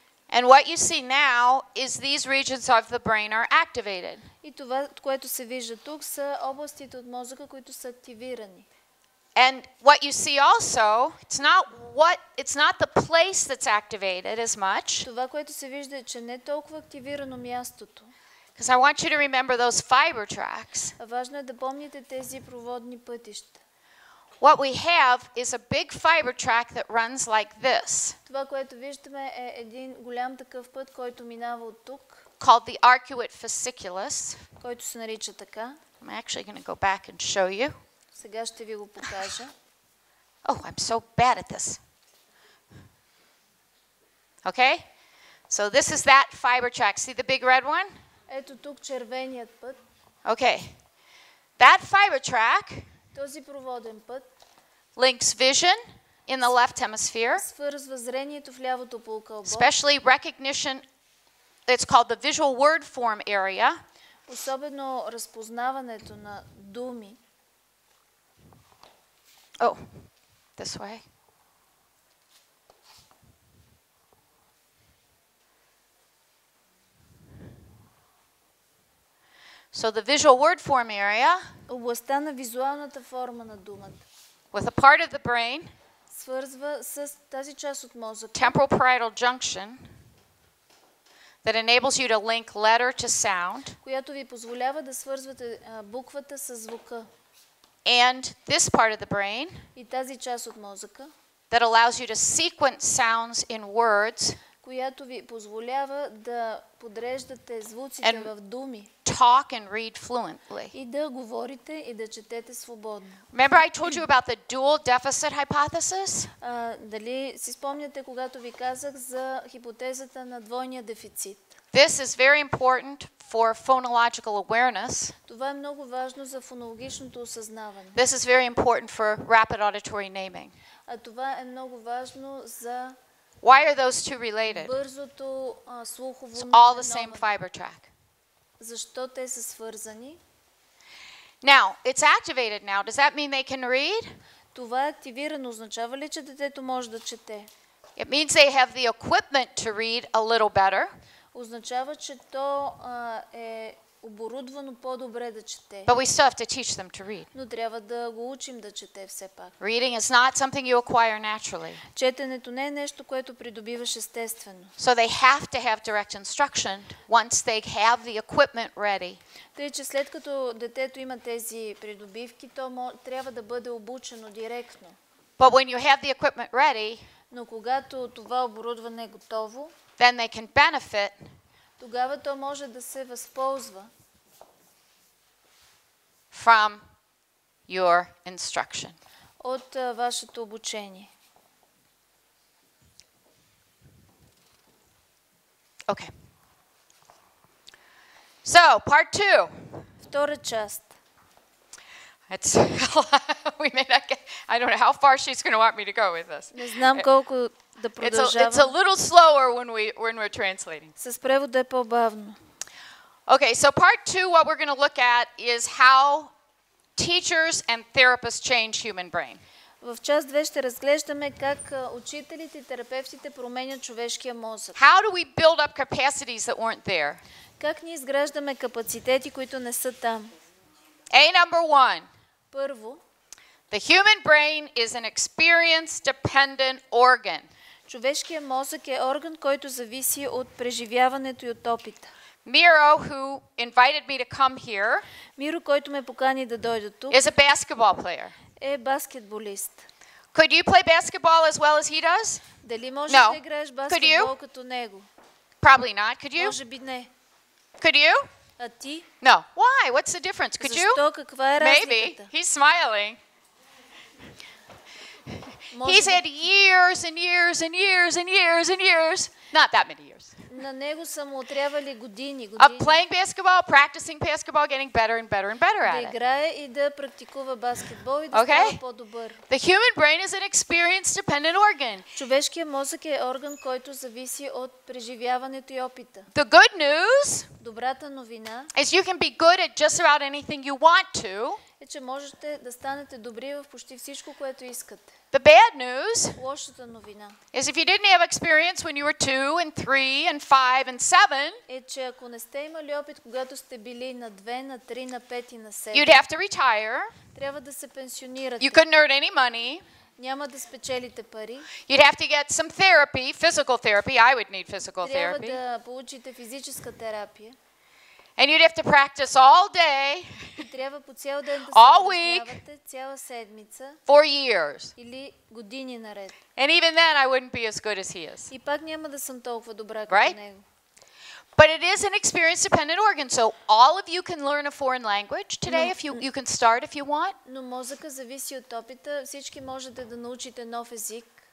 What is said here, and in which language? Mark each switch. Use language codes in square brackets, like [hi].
[en] And what you see now is these regions of the brain are activated. [bg] И това, което се вижда тук, са областите от мозъка, които са активирани. [en] And what you see also, it's not the place that's activated as much. [bg] Това, което се вижда, е, че не е толкова активирано мястото. [en] Because I want you to remember those fiber tracks. [bg] Важно е да помните тези проводни пътища. [en] What we have is a big fiber track that runs like this. [bg] Това, което виждаме, е един голям такъв път, който минава от тук. [en] Called the arcuate fasciculus. [bg] Който се нарича така. [en] I'm actually going to go back and show you. [bg] Сега ще ви го покажа. [en] Oh, I'm so bad at this. Okay? So this is that fiber track. See the big red one? [bg] Ето тук червеният път. [en] Okay. That fiber track [bg] този проводен път [en] links vision in the left hemisphere. [bg] Свързва зрението в лявото полукълбо. [en] Especially recognition, it's called the visual word form area. [bg] Особено разпознаването на думи. [en] Oh, this way. So the visual word form area, [bg] областта на визуалната форма на думата, [en] with a part of the brain, [bg] свързва с тази част от мозъка, [en] temporal parietal junction, that enables you to link letter to sound, [bg] която ви позволява да свързвате буквата с звука. [en] and this part of the brain [bg] и тази част от мозъка, [en] that allows you to sequence sounds in words, [bg] която ви позволява да подреждате звуците в думи, [en] talk and read fluently. [bg] И да говорите и да четете свободно. [en] Remember I told you about the dual deficit hypothesis? [bg] Дали си спомняте, когато ви казах за хипотезата на двойния дефицит? [en] This is very important for phonological awareness. [bg] Това е много важно за фонологичното осъзнаване. [en] This is very important for rapid auditory naming. [bg] А това е много важно за... [en] Why are those two related? [bg] Бързото, [en] it's all the same fiber track. [bg] Защо те са свързани? [en] Now, it's activated now. Does that mean they can read? [bg] Това е активирано. Означава ли, че детето може да чете? [en] It means they have the equipment to read a little better. [bg] Означава, че то е оборудвано по-добре да чете. [en] But we still have to teach them to read. [bg] Но трябва да го учим да чете все пак. [en] Reading is not something you acquire naturally. [bg] Четенето не е нещо, което придобиваш естествено. [en] So they have to have direct instruction once they have the equipment ready. [bg] Тъй, че след като детето има тези придобивки, то трябва да бъде обучено директно. [en] But when you have the equipment ready, [bg] но когато това оборудване е готово, [en] then they can benefit. [bg] Тогава то може да се възползва [en] from your instruction. [bg] От вашето обучение. [en] Okay. So, part two. [bg] Втора част. [en] It's we may not get, I don't know how far she's going to want me to go with this. [bg] Не знам колко да продължавам. [en] It's a little slower when we're translating. [bg] С превода е по-бавно. [en] Okay, so part two, what we're going to look at is how teachers and therapists change human brain. [bg] В част 2 ще разглеждаме как учителите и терапевтите променят човешкия мозък. [en] How do we build up capacities that weren't there? [bg] Как ние изграждаме капацитети, които не са там? [en] A number one. [bg] Първо. [en] The human brain is an experience-dependent organ. [bg] Човешкият мозък е орган, който зависи от преживяването и от опита. [en] Miro, who invited me to come here, [bg] Miro, който ме покани да дойда тук, [en] is a basketball player. [bg] Е баскетболист. [en] Could you play basketball as well as he does? [bg] Дали можеш да играеш баскетбол като него? [en] Probably not. Could you? [bg] Може би не. [en] Could you? [bg] А ти? [en] No. Why? What's the difference? Could you? [bg] Защо? Каква е разликата? [en] Maybe. He's smiling. He's had years and years and years and years and years. Not that many years. [bg] На него са му отрявали години, години. [en] Of playing basketball, practicing basketball, getting better and better and better at it. [bg] Да играе и да практикува баскетбол и да става по-добър. [en] The human brain is an experience-dependent organ. [bg] Човешкият мозък е орган, който зависи от преживяването и опита. [en] The good news. [bg] Добрата новина. [en] Is you can be good at just about anything you want to. [bg] Е, че можете да станете добри в почти всичко, което искате. [en] The bad news, [bg] лошата новина, [en] is if you didn't have experience when you were 2 and 3 and 5 and 7, [bg] е, че ако не сте имали опит, когато сте били на 2, на 3, на 5 и на 7, [en] you'd have to retire. [bg] Трябва да се пенсионирате. [en] You couldn't earn any money. [bg] Няма да спечелите пари. [en] You'd have to get some therapy, physical therapy. I would need physical therapy. [bg] Трябва да получите физическа терапия. [en] And you'd have to practice all day, all week, [bg] цяла седмица, [en] for years. [bg] Или години наред. [en] And even then, I wouldn't be as good as he is. [bg] И пак няма да съм толкова добра като [en] right? [bg] него. [en] But it is an experience-dependent organ, so all of you can learn a foreign language today, if you can start if you want. [bg] Но мозъка зависи от опита. Всички можете да научите нов език.